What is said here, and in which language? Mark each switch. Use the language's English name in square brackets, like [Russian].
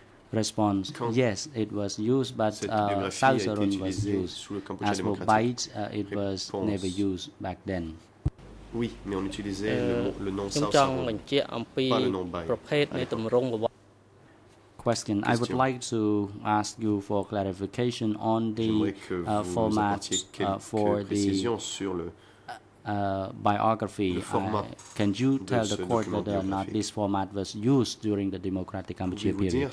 [English] Response, yes, it was used, but Sao Saron was used. As for Bites, it was never used back then. [French] Oui, mais on utilisait le nom Sao Saron, pas le nom Bites. [English] Question. I would like to ask you for clarification on the format for the biography. Can you tell the court whether or not this format was used during the Democratic Cambodia period?